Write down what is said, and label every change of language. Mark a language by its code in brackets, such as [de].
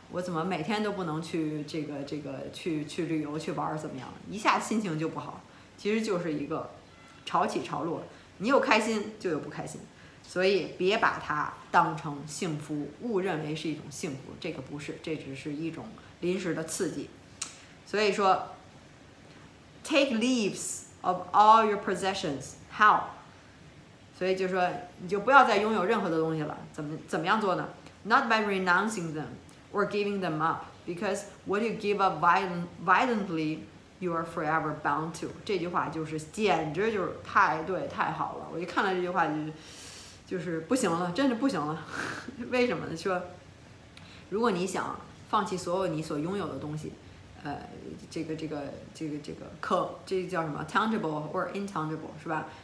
[zh] 我怎么每天都不能去这个去旅游去玩，怎么样一下心情就不好，其实就是一个潮起潮落，你有开心就有不开心，所以别把它当成幸福，误认为是一种幸福，这个不是，这只是一种临时的刺激。所以说 [en] take leaves of all your possessions， how？ [zh] 所以就说你就不要再拥有任何的东西了，怎么样做呢？ [en] not by renouncing them or giving them up， because what you give up violently you are forever bound to。 [zh] 这句话就是简直就是太对太好了，我一看到这句话就是不行了，真是不行了。为什么呢？说如果你想放弃所有你所拥有的东西，这个叫什么 [en] tangible or intangible， [zh] 是吧？